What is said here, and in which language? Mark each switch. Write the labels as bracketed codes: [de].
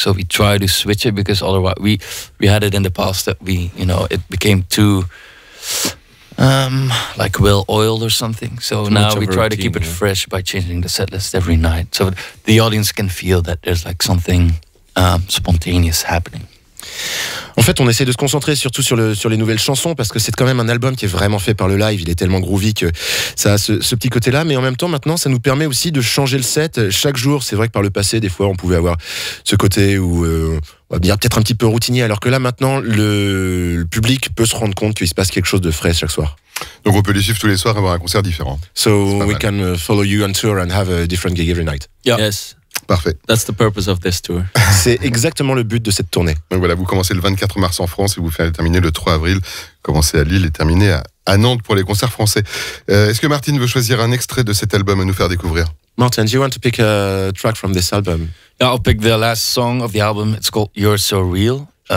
[en] So we try to switch it because otherwise we had it in the past that we, you know, it became too like well oiled or something. So too now we try routine, to keep it fresh by changing the set list every night, so the audience can feel that there's like something spontaneous happening. [fr] En fait, on essaie de se concentrer surtout sur les nouvelles chansons parce que c'est quand même un album qui est vraiment fait par le live. Il est tellement groovy que ça a ce petit côté-là. Mais en même temps, maintenant, ça nous permet aussi de changer le set chaque jour. C'est vrai que par le passé, des fois, on pouvait avoir ce côté où on va dire peut-être un petit peu routinier. Alors que là, maintenant, le public peut se rendre compte qu'il se passe quelque chose de frais chaque soir. Donc, on peut les suivre tous les soirs et avoir un concert différent. [en] So we can follow you on tour and have a different gig every night. Yeah. Yes. [fr] Parfait. [en] That's the purpose of this tour. [fr] C'est exactement le but de cette tournée. Donc voilà, vous commencez le 24 mars en France et vous terminez le 3 avril. Commencez à Lille et terminez à Nantes pour les concerts français. Est-ce que Martin veut choisir un extrait de cet album à nous faire découvrir? [en] Martin, do you want to pick a track from this album? I'll pick the last song of the album. It's called You're So Real.